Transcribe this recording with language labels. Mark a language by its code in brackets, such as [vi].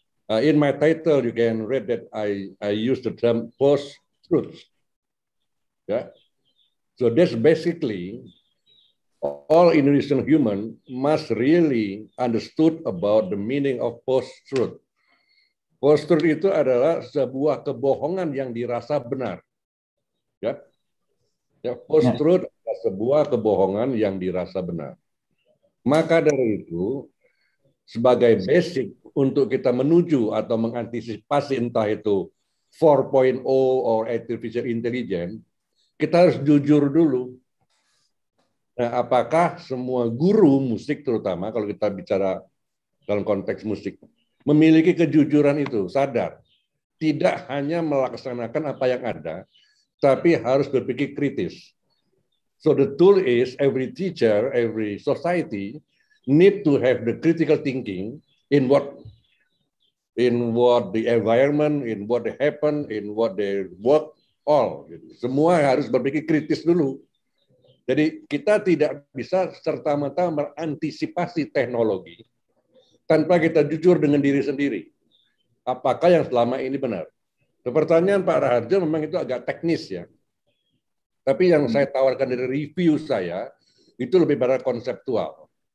[en] In my title, you can read that I use the term post-truth. Yeah. So that's basically all Indonesian human must really understood about the meaning of post-truth. [id] Post-truth itu adalah sebuah kebohongan yang dirasa benar. Yeah. Yeah, post-truth adalah sebuah kebohongan yang dirasa benar. Maka dari itu, sebagai basic untuk kita menuju atau mengantisipasi entah itu 4.0 [en] or artificial intelligence, [id] kita harus jujur dulu. Nah, apakah semua guru musik terutama, kalau kita bicara dalam konteks musik, memiliki kejujuran itu, sadar. Tidak hanya melaksanakan apa yang ada, tapi harus berpikir kritis. [en] So the tool is every teacher, every society, need to have the critical thinking in what the environment, in what they happen, in what they work, all. [id] Semua harus berpikir kritis dulu. Jadi kita tidak bisa serta-merta mengantisipasi teknologi tanpa kita jujur dengan diri sendiri. Apakah yang selama ini benar? Pertanyaan Pak Raharjo memang itu agak teknis ya. Tapi yang saya tawarkan dari review saya, itu lebih pada konseptual.